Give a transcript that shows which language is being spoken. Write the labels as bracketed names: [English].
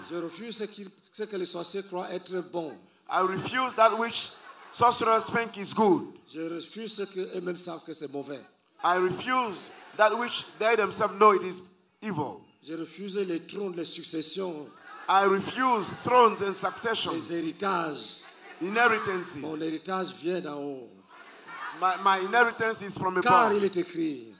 [French] Je refuse ce que les sorciers croient être bon. [English] I refuse that which sorcerers think is good. [French] Je refuse ce qu'eux-mêmes savent que c'est mauvais. [English] I refuse that which they themselves know it is evil. [French] Je refuse les trônes, les successions. [English] I refuse thrones and successions. [French] Les héritages. [English] Inheritances. [French] Mon héritage vient d'en haut. [English] My inheritance is from above. [French] Car il est écrit.